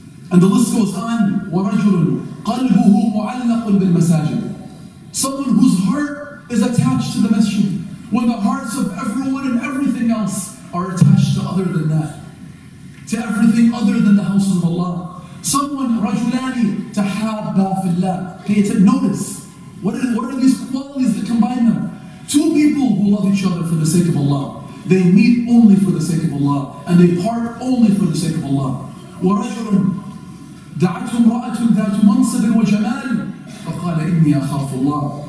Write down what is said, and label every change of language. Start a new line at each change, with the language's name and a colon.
English: And the list goes on.
Arabic: وَرَجُلٌ قَلْبُهُ مُعَلَّقٌ بِالْمَسَاجِدِ.
English: Someone whose heart is attached to the masjid, when the hearts of everyone and everything else are attached to other than that, to everything other than the houses of Allah. Someone,
Arabic: رَجُلَانِ تَحَابَّا فِي اللَّهِ.
English: Pay attention, notice. What are these qualities that combine them? Two people who love each other for the sake of Allah. They meet only for the sake of Allah, and they part only for the sake of Allah.
Arabic: وَرَجُلٌ دَعَتُ مْرَأَةٌ ذَاتُ مَنْصَبٍ وَجَمَالٍ فَقَالَ إِنِّي أَخَافُ اللَّهِ.